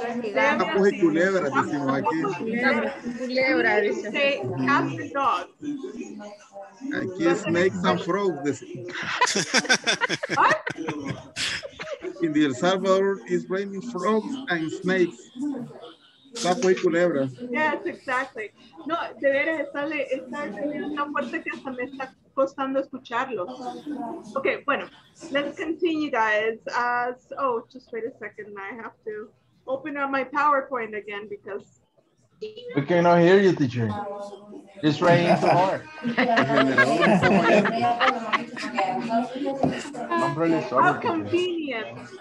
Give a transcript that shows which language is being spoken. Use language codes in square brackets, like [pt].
[es] Una puja culebra, decimos aquí. Culebra, dice. [en] Say cats and dogs. [es] Aquí es [en] snakes and frogs. What? In the El Salvador, it's raining frogs and snakes. [es] Sapo y culebra. [en] Yes, exactly. [es] No, de veras, está teniendo una fuerte que hasta me está costando escucharlo. [en] Okay, [es] bueno, [en] let's continue, guys. Oh, just wait a second. I have to open up my PowerPoint again because... We cannot hear you, teacher. It's raining too hard. I'm really sorry. How convenient.